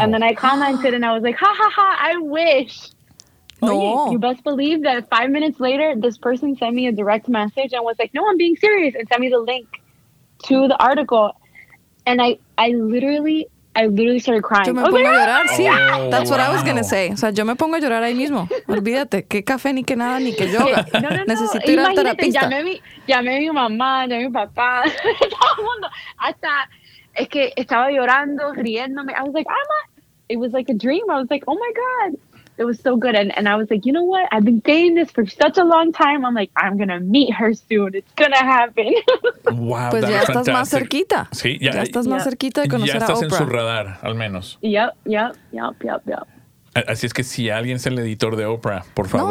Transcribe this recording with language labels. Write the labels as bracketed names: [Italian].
[English] And then I commented, and I was like, ha, ha, ha, I wish. No. Oh, yeah. You best believe that 5 minutes later, this person sent me a direct message and was like, no, I'm being serious, and sent me the link to the article. And I literally started crying. [Spanish] Yo me pongo a llorar, sí. [English] Oh, that's what I was going to say. [Spanish] O sea, yo me pongo a llorar ahí mismo. Olvídate. Qué café, ni qué nada, ni qué yoga. No. Necesito ir al terapista. Llamé a mi mamá, llamé a mi papá. Todo el mundo. Hasta, es que estaba llorando, riéndome. [English] I was like, it was like a dream. I was like, oh, my God. It was so good. And I was like, you know what? I've been saying this for such a long time. I'm like, I'm going to meet her soon. It's going to happen. Wow. [Spanish] Pues ya estás más cerquita. Sí, ya estás más cerquita de conocer a Oprah. Ya estás en su radar, al menos. [English] Yep. [Spanish] Así es que si alguien es el editor de Oprah, por favor.